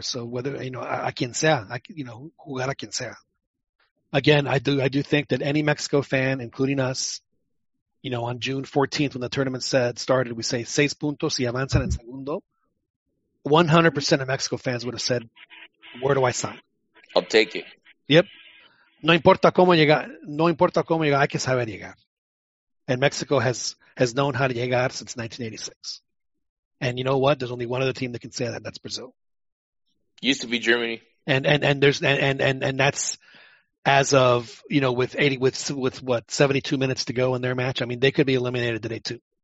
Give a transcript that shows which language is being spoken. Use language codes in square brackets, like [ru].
[en] So whether, you know, [es] jugar a quien sea. [en] Again, I do think that any Mexico fan, including us, you know, on June 14th, when the tournament started, we say [es] 6 puntos y avanzan en segundo. [en] 100% of Mexico fans would have said, where do I sign? I'll take it. Yep. [es] No importa cómo llegar, no importa cómo llegar, hay que saber llegar. [en] And Mexico has known how to [es] llegar [en] since 1986. And you know what? There's only one other team that can say that, that's Brazil. Used to be Germany. And that's, as of, you know, with 72 minutes to go in their match, I mean, they could be eliminated today too.